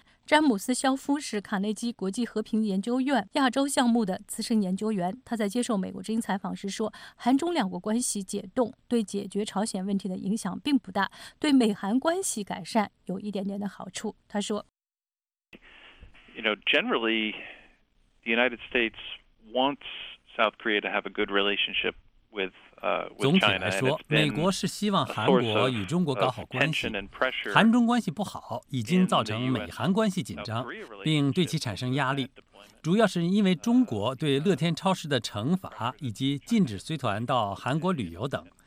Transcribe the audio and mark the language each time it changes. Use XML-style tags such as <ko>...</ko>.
<zh>詹姆斯·肖夫是卡内基国际和平研究院亚洲项目的资深研究员，他在接受美国之音采访时说，韩中两国关系解冻对解决朝鲜问题的影响并不大，对美韩关系改善有一点点的好处。他说</zh> <en>You know, generally, the United States wants South Korea to have a good relationship with</en> <zh>总体来说，美国是希望韩国与中国搞好关系，韩中关系不好已经造成美韩关系紧张并对其产生压力，主要是因为中国对乐天超市的惩罚以及禁止随团到韩国旅游等。</zh>